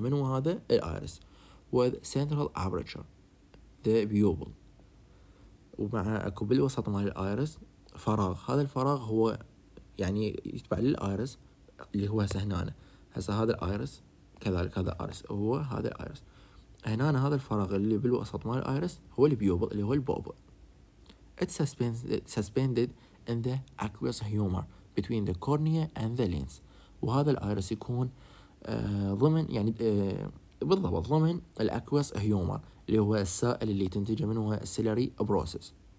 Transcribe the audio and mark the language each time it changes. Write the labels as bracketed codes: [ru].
[ar] من هو هذا؟ الايرس [en] with central aperture the pupil, [ar] ومع اكو بالوسط مال الايرس فراغ. هذا الفراغ هو يعني يتبع للايرس اللي هو هسه هنا. هسه هذا الايرس كذلك هذا الايرس، هو هذا الايرس هنا. هذا الفراغ اللي بالوسط مال الايرس هو البيوبل اللي هو البوبل. [en] It's suspended in the aqueous humor between the cornea and the lens. [ar] وهذا الايرس يكون ضمن يعني بالضبط ضمن الاكويس هيومر اللي هو السائل اللي تنتج منه السيلاري بروسس.